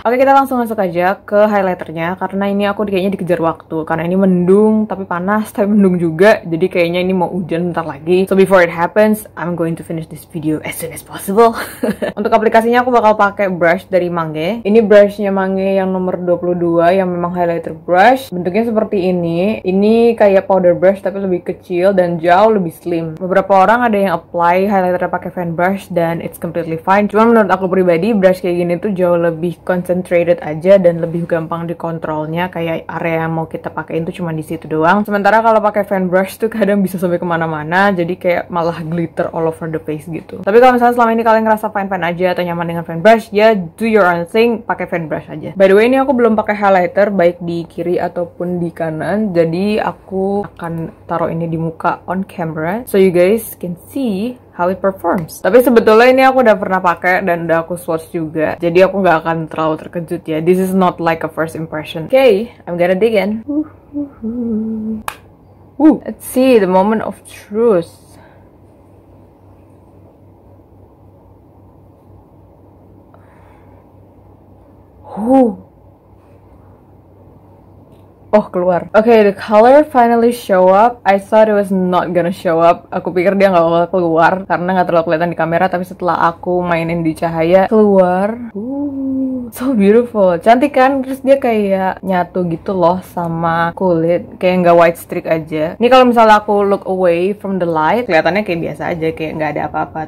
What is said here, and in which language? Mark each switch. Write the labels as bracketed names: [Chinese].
[Indonesian] Oke, kita langsung masuk aja ke highlighternya karena ini aku kayaknya dikejar waktu. Karena ini mendung, tapi panas, tapi mendung juga. Jadi kayaknya ini mau hujan bentar lagi. [English] So before it happens, I'm going to finish this video as soon as possible. [Indonesian] Untuk aplikasinya aku bakal pakai brush dari Mange. Ini brushnya Mange yang nomor 22 yang memang highlighter brush. Bentuknya seperti ini. Ini kayak powder brush tapi lebih kecil dan jauh lebih slim. Beberapa orang ada yang apply highlighter pakai fan brush dan [English] it's completely fine. [Indonesian] Cuman menurut aku pribadi, brush kayak gini tuh jauh lebih concentrated aja dan lebih gampang dikontrolnya, kayak area yang mau kita pakaiin tuh cuma di situ doang. Sementara kalau pakai fan brush tuh kadang bisa sampai kemana-mana, jadi kayak malah [English] glitter all over the face [Indonesian] gitu. Tapi kalau misalnya selama ini kalian ngerasa fine-fine aja atau nyaman dengan fan brush, ya [English] do your own thing, [Indonesian] pakai fan brush aja. By the way, ini aku belum pakai highlighter baik di kiri ataupun di kanan, jadi aku akan taruh ini di muka [English] on camera so you guys can see how it performs. [Indonesian] Tapi sebetulnya ini aku udah pernah pakai dan udah aku swatch juga, jadi aku gak akan terlalu terkejut ya. [English] This is not like a first impression. Okay, I'm gonna dig in. Let's see the moment of truth. Oh, keluar. Okay, the color finally show up. I thought it was not gonna show up. [Indonesian] Aku pikir dia gak bakal keluar karena gak terlalu kelihatan di kamera, tapi setelah aku mainin di cahaya, keluar. [English] So beautiful. [Indonesian] Cantik kan? Terus dia kayak nyatu gitu loh sama kulit, kayak gak white streak aja. Ini kalau misalnya aku [English] look away from the light, [Indonesian] kelihatannya kayak biasa aja, kayak gak ada apa-apa.